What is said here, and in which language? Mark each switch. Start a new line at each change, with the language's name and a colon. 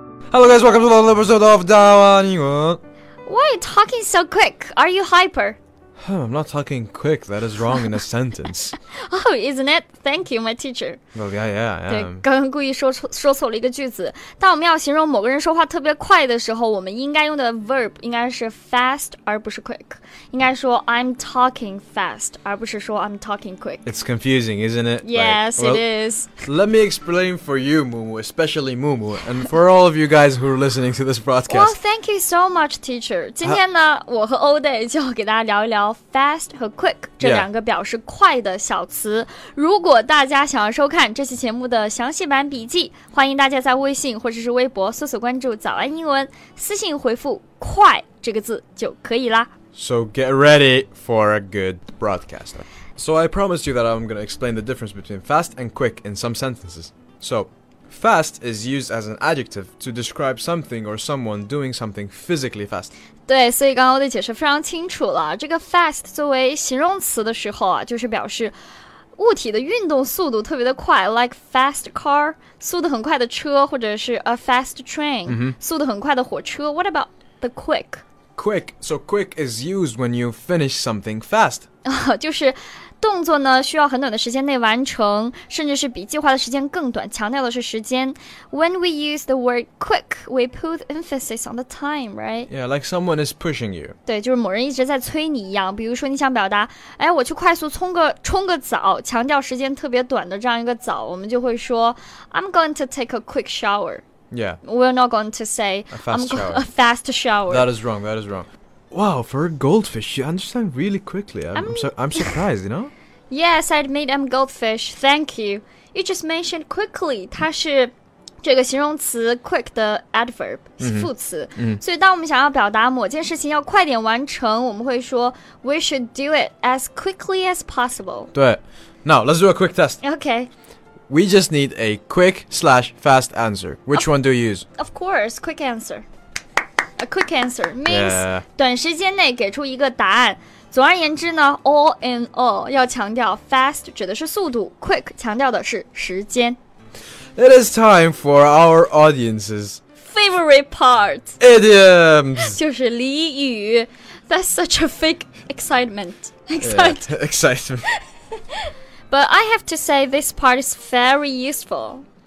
English: Hello guys, welcome to another episode of Dawani. Why are you talking so quick? Are you hyper? I'm not talking quick. That is wrong in a sentence. Oh, isn't it? Thank you, my teacher. Well, yeah, I am.
Chinese: 对，刚刚故意说错了一个句子。当我们要形容某个人说话特别快的时候，我们应该用的 verb 应该是 fast 而不是 quick. 应该说
English: I'm talking fast
Chinese: 而不是说
English: I'm talking quick. It's confusing, isn't it? Yes, like, well, it is. Let me explain for you, Mumu, especially Mumu, and for all of you guys who are listening to this broadcast. Well, thank you so much, teacher.
Chinese: 今天呢，我和 Oday 就给大家聊一聊fast 和 quick 这两个表示快的小词、
English: yeah.
Chinese: 如果大家想要收看这期节目的详细版笔记欢迎大家在微信或者是微博搜索关注早安英文私信回复快这个字就可以啦
English: So get ready for a good broadcast So I promised you that I'm going to explain the difference between fast and quick in some sentences So fast is used as an adjective to describe something or someone doing something physically fast
Chinese: 对，所以刚刚我的解释非常清楚了。这个 fast 作为形容词的时候啊，就是表示物体的运动速度特别的快 ，
English: like fast car，
Chinese: 速度很快的车，或者是
English: a fast train，、 mm-hmm.
Chinese: 速度很快的火车。
English: What about the quick？ Quick， so quick is used when you finish something fast 。
Chinese: 就是动作呢需要很短的时间内完成，甚至是比计划的时间更短，强调的是时间。
English: When we use the word quick, we put emphasis on the time, right? Yeah, like someone is pushing you.
Chinese: 对，就是某人一直在催你一样。比如说你想表达，哎，我去快速冲个澡，强调时间特别短的这样一个澡，我们就会说
English: I'm going to take a quick shower. Yeah. We're not going to say a fast shower. That is wrong. Wow, for a goldfish, you understand really quickly. I'm surprised, you know? Yes, I admit I'm goldfish. Thank you. You just mentioned quickly.
Chinese: 它是这个形容词 quick 的 adverb, 副词。所以当我们想要表达某件事情要快点完成，我们会说
English: we should do it as quickly as possible.
Chinese: 对。
English: Now, let's do a quick test. Okay. We just need a quick / fast answer. Which one do you use? Of course, quick answer. A quick answer means、 yeah.
Chinese: 短时间内给出一个答案。总而言之呢 ，
English: all in all
Chinese: 要强调 fast 指的是速度 ，quick 强调的是时间。
English: It is time for our audience's favorite part. Idioms
Chinese: 就是俚语。
English: That's such a fake excitement. Excitement.、 Yeah. Excitement. But I have to say this part is very useful.